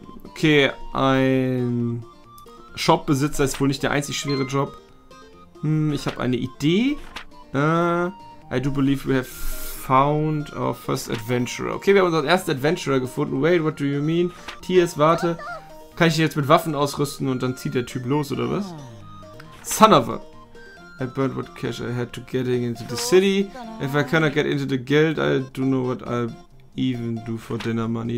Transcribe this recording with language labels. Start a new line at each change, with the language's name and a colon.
German: Okay, ein Shop-Besitzer ist wohl nicht der einzig schwere Job. Ich habe eine Idee.
English: I do believe we have found our first adventurer.
German: Okay, wir haben unseren ersten Adventurer gefunden.
English: Wait, what do you mean?
German: Tears, warte. Kann ich ihn jetzt mit Waffen ausrüsten und dann zieht der Typ los, oder was?
English: Son of a... I burned what cash I had to getting into the city. If I cannot get into the guild, I do know what I'll even do for dinner money.